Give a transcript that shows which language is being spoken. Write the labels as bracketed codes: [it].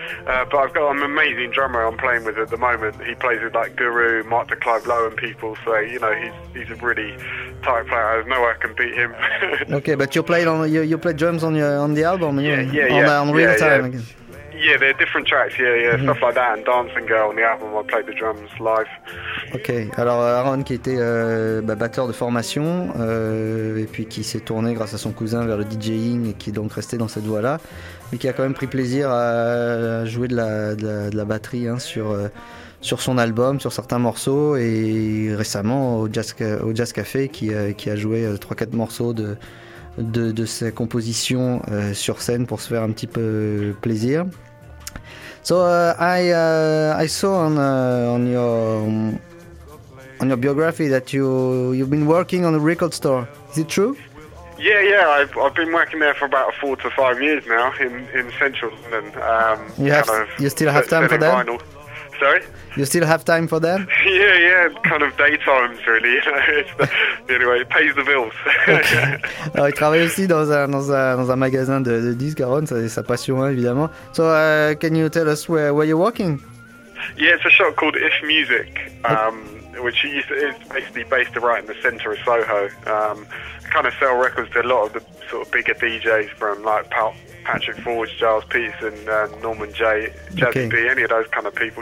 [en] But I've got an amazing drummer I'm playing with at the moment. He plays with like Guru, Mark the Clive Lowe and people. So, you know, he's a really tight player. There's no way I can beat him. Okay, but you played drums on the album, on real time. I guess. Yeah, they're different tracks, stuff like that, and Dancing Girl on the album, I played the drums live. [fr] Ok, alors Aaron qui était batteur de formation, et puis qui s'est tourné grâce à son cousin vers le DJing, et qui est donc resté dans cette voie-là, mais qui a quand même pris plaisir à jouer de la batterie, hein, sur son album, sur certains morceaux, et récemment au Jazz Café, qui a joué 3-4 morceaux de sa composition sur scène pour se faire un petit peu plaisir. [en] So I saw on your biography that you've been working on a record store. Is it true? Yeah, I've been working there for about 4 to 5 years now in central London. You still have time for that? Sorry? You still have time for that? Yeah, kind of daytimes really. Anyway, it pays the bills. Okay. [fr] Alors, il travaille aussi dans un magasin de disques, Aaron, ça c'est sa passion évidemment. [en] So, can you tell us where you're working? Yeah, it's a shop called If Music, which is basically based right in the centre of Soho. Kind of sell records to a lot of the sort of bigger DJs from like Patrick Forge, Giles Peterson, Norman Jay, Jazzy B, any of those kind of people.